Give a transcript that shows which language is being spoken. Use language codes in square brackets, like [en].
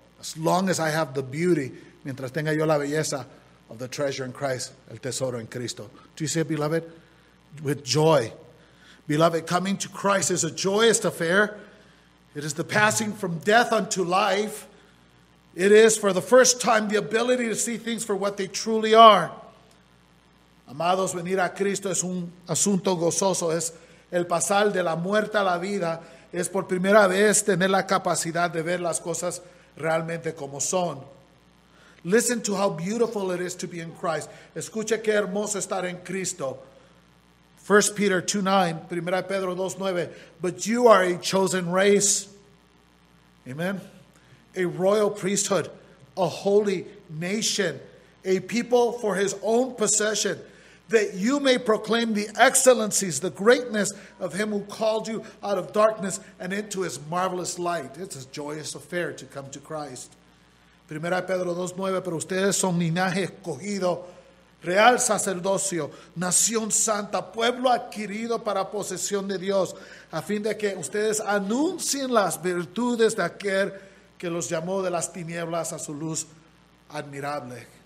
[en] As long as I have the beauty, [es] mientras tenga yo la belleza [en] of the treasure in Christ, [es] el tesoro en Cristo. [en] Do you see it, beloved? With joy. Beloved, coming to Christ is a joyous affair. It is the passing from death unto life. It is, for the first time, the ability to see things for what they truly are. [es] Amados, venir a Cristo es un asunto gozoso. Es el pasar de la muerte a la vida. Es por primera vez tener la capacidad de ver las cosas realmente como son. [en] Listen to how beautiful it is to be in Christ. [es] Escuche qué hermoso estar en Cristo. [en] 1 Peter 2:9, 1 Pedro 2:9, but you are a chosen race, amen, a royal priesthood, a holy nation, a people for his own possession, that you may proclaim the excellencies, the greatness of him who called you out of darkness and into his marvelous light. It's a joyous affair to come to Christ. [es] 1 Pedro 2:9, pero ustedes son linaje escogido, real sacerdocio, nación santa, pueblo adquirido para posesión de Dios, a fin de que ustedes anuncien las virtudes de aquel que los llamó de las tinieblas a su luz admirable.